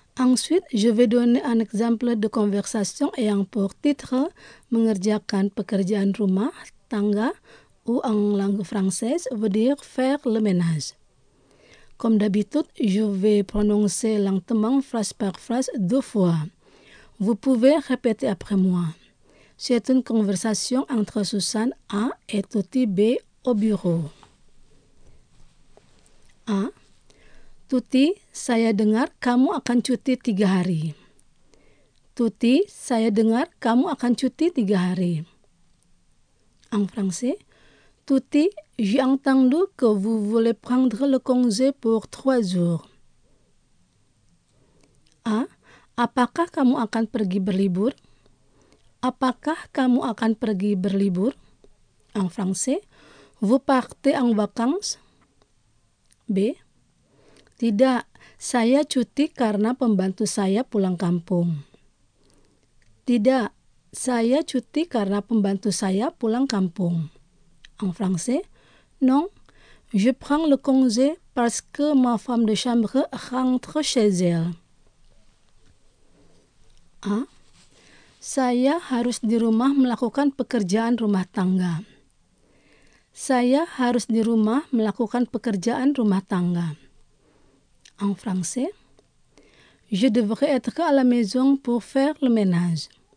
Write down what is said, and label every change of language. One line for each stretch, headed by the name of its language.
French: Ensuite, je vais donner un exemple de conversation ayant pour titre «
Indonesian: Mengerjakan pekerjaan rumah tangga
French: » ou en langue française, veut dire faire le ménage. Comme d'habitude, je vais prononcer lentement phrase par phrase deux fois. Vous pouvez répéter après moi. C'est une conversation entre Suzanne A et Toti B au bureau. A.
Indonesian: Toti, saya dengar kamu akan cuti 3 hari. Toti, saya dengar kamu akan cuti 3 hari.
French: En français. Toti, j'ai entendu que vous voulez prendre le congé pour 3 jours. A.
Indonesian: Apakah kamu akan pergi berlibur? Apakah kamu akan pergi berlibur?
French: En français. Vous partez en vacances? B.
Indonesian: Tidak, saya cuti karena pembantu saya pulang kampung. Tidak, saya cuti karena pembantu saya pulang kampung.
French: En français. Non, je prends le congé parce que ma femme de chambre rentre chez elle. A.
Indonesian: Saya harus di rumah melakukan pekerjaan rumah tangga. Saya harus di rumah melakukan pekerjaan rumah tangga.
French: En français. Je devrais être à la maison pour faire le ménage.